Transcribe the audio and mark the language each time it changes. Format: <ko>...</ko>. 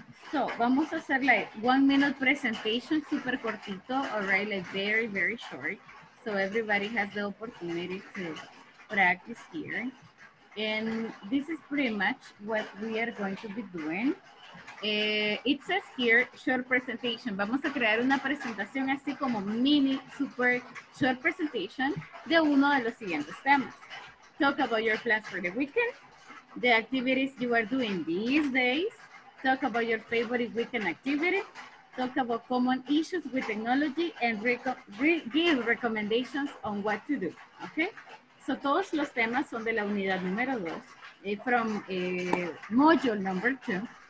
<en>So, vamos a hacer like 1 minute presentation, super cortito, all right, like very, very short. So everybody has the opportunity to practice here. And this is pretty much what we are going to be doing. It says here, short presentation.</en> <es>Vamos a crear una presentación así como mini, super short presentation de uno de los siguientes temas.</es> <en>Talk about your plans for the weekend, the activities you are doing these days, talk about your favorite weekend activity, talk about common issues with technology, and give recommendations on what to do, okay?</en> <es>So todos los temas son de la unidad número dos, from module number two.</es>